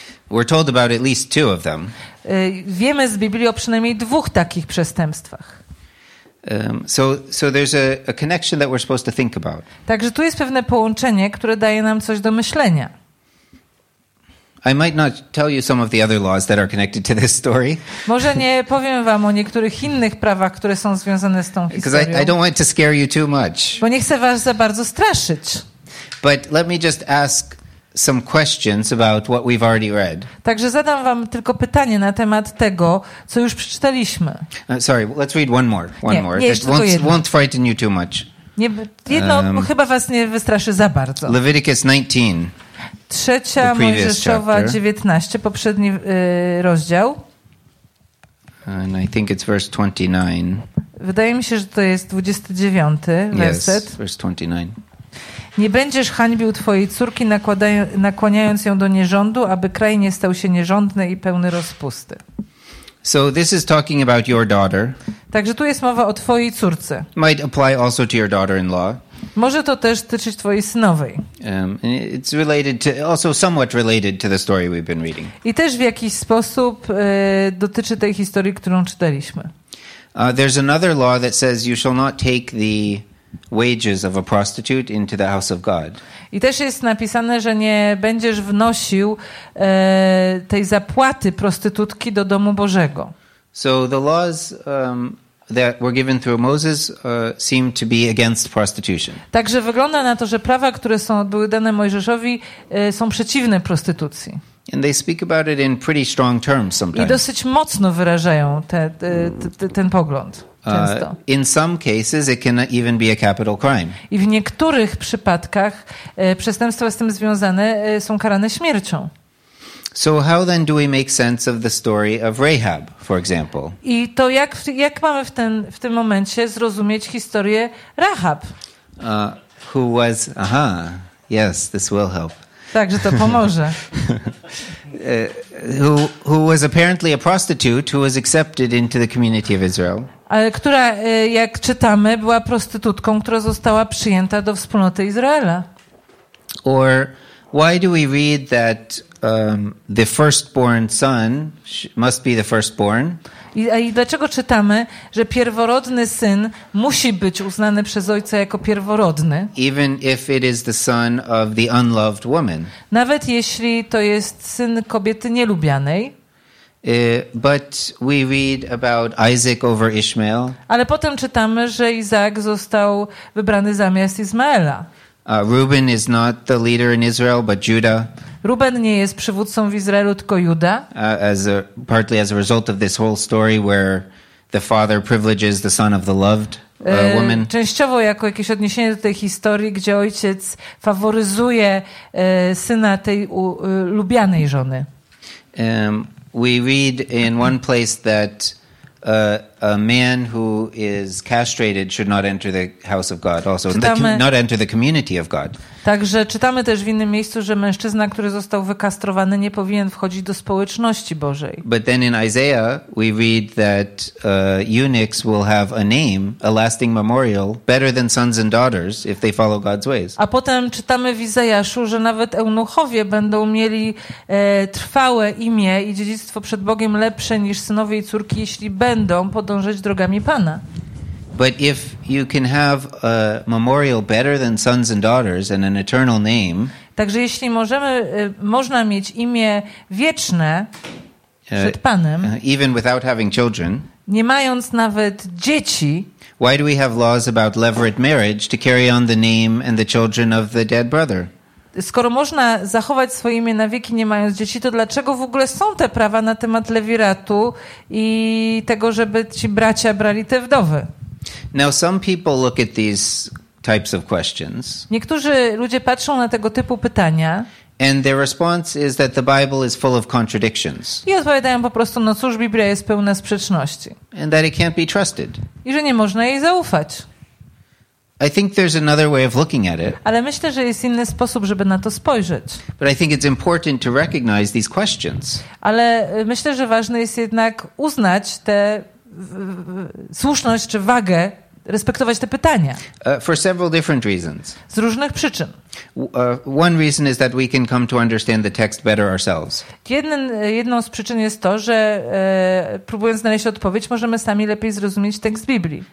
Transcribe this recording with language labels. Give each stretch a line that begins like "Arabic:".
English: We're told about at least two of them.
Polish: Wiemy z Biblii o przynajmniej dwóch takich przestępstwach.
English: So there's a connection that we're supposed to think about.
Polish: Także tu jest pewne połączenie, które daje nam coś do myślenia.
English: I might not tell you some of the other laws that are connected to this story.
Polish: Może nie powiem wam o niektórych innych prawach, które są związane z tą historią.
English: Because I don't want to scare you too much.
Polish: Bo nie chcę was za bardzo straszyć.
English: But let me just ask some questions about what we've already read.
Polish: Także zadam wam tylko pytanie na temat tego, co już przeczytaliśmy.
English: Sorry, let's read one more. Won't frighten you too much.
Polish: Nie, jedno chyba was nie wystraszy za bardzo.
English: Leviticus 19.
Polish: Trzecia Mojżeszowa 19, poprzedni rozdział.
English: And I think it's verse 29.
Polish: Wydaje mi się, że to jest 29 werset.
English: Yes, verse 29.
Polish: Nie będziesz hańbił twojej córki, nakłaniając ją do nierządu, aby kraj nie stał się nierządny i pełny rozpusty.
English: So this is talking about your daughter.
Polish: Także tu jest mowa o twojej córce.
English: Might apply also to your daughter-in-law.
Polish: Może to też dotyczyć twojej synowej.
English: It's related to, also somewhat related to the story we've been reading.
Polish: I też w jakiś sposób dotyczy tej historii, którą czytaliśmy.
English: There's another law that says you shall not take the wages of a prostitute into the house of God.
Polish: I też jest napisane, że nie będziesz wnosił tej zapłaty prostytutki do domu Bożego.
English: So the laws that were given through Moses seem to be against prostitution.
Polish: Także wygląda na to, że prawa, które były dane Mojżeszowi, są przeciwne prostytucji.
English: And they speak about it in pretty strong terms sometimes.
Polish: I dosyć mocno wyrażają ten pogląd.
English: In some cases it can even be a capital crime.
Polish: I w niektórych przypadkach przestępstwa z tym związane są karane śmiercią.
English: So how then do we make sense of the story of Rahab, for example?
Polish: I to jak mamy w tym momencie zrozumieć historię Rahab?
English: Who was? Aha, yes, this will help.
Polish: Także to pomoże.
English: who was apparently a prostitute who was accepted into the community of Israel?
Polish: Która, jak czytamy, była prostytutką, która została przyjęta do wspólnoty Izraela.
English: Or why do we read that the firstborn son must be the firstborn?
Polish: I dlaczego czytamy, że pierworodny syn musi być uznany przez ojca jako pierworodny?
English: Even if it is the son of the unloved woman.
Polish: Nawet jeśli to jest syn kobiety nielubianej.
English: But we read about Isaac over Ishmael.
Polish: Ale potem czytamy, że Izaak został wybrany zamiast Izmaela.
English: Reuben is not the leader in Israel, but Judah.
Polish: Reuben nie jest przywódcą w Izraelu, tylko Juda.
English: Partly as a result of this whole story where the father privileges the son of the loved woman.
Polish: Częściowo jako jakieś odniesienie do tej historii, gdzie ojciec faworyzuje syna tej lubianej żony.
English: We read in one place that a man who is castrated should not enter the house of God also, not enter the community of God.
Polish: Także czytamy też w innym miejscu, że mężczyzna, który został wykastrowany, nie powinien wchodzić do społeczności Bożej.
English: But then in Isaiah we read that eunuchs will have a name, a lasting memorial, better than sons and daughters if they follow God's ways.
Polish: A potem czytamy w Izajaszu, że nawet eunuchowie będą mieli trwałe imię i dziedzictwo przed Bogiem lepsze niż synowie i córki, jeśli będą podążać drogami Pana.
English: But if you can have a memorial better than sons and daughters and an eternal name.
Polish: Także jeśli możemy można mieć imię wieczne przed Panem.
English: Even without having children.
Polish: Nie mając nawet dzieci.
English: Why do we have laws about levirate marriage to carry on the name and the children of the dead brother?
Polish: Skoro można zachować swoje imię na wieki, nie mając dzieci, to dlaczego w ogóle są te prawa na temat lewiratu i tego, żeby ci bracia brali te wdowy?
English: Now some people look at these types of questions.
Polish: Niektórzy ludzie patrzą na tego typu pytania.
English: And their response is that the Bible is full of contradictions.
Polish: I odpowiadają po prostu, no cóż, Biblia jest pełna sprzeczności.
English: And that it can't be trusted.
Polish: I że nie można jej zaufać.
English: I think there's another way of looking at it.
Polish: Ale myślę, że jest inny sposób, żeby na to spojrzeć.
English: But I think it's important to recognize these questions.
Polish: Ale myślę, że ważne jest jednak uznać te słuszność czy wagę, respektować te pytania.
English: For several different reasons.
Polish: Z różnych przyczyn.
English: One reason is that we can come to understand the text better ourselves.
Polish: Jedną z przyczyn jest to, że próbując znaleźć odpowiedź, możemy sami lepiej zrozumieć tekst Biblii.